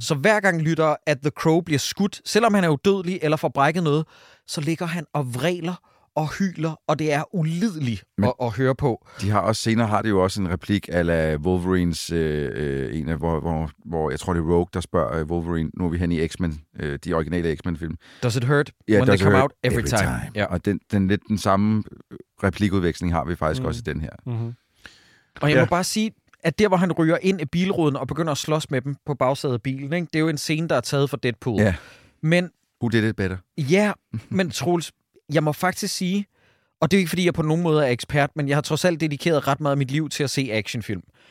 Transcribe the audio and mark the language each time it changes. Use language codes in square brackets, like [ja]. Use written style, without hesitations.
[da] Så hver gang lytter, at The Crow bliver skudt, selvom han er udødelig eller får brækket noget, så ligger han og vræler og hyler, og det er ulideligt at høre på. De har også, senere har de jo også en replik a la Wolverines, hvor jeg tror, det er Rogue, der spørger Wolverine. Nu er vi hen i X-Men, de originale X-Men-film. [en] Does it hurt when they come out every time? Yeah. [da] Og den lidt den samme replikudveksling har vi faktisk også i den her. Mm-hmm. Og jeg må bare sige, at der, hvor han ryger ind i bilruden og begynder at slås med dem på bagsædet af bilen, ikke? Det er jo en scene, der er taget fra Deadpool. [en] Yeah. [da] Men, [en] who did it better? [da] Ja, men Troels, jeg må faktisk sige, og det er ikke, fordi jeg på nogen måde er ekspert, men jeg har trods alt dedikeret ret meget af mit liv til at se actionfilm.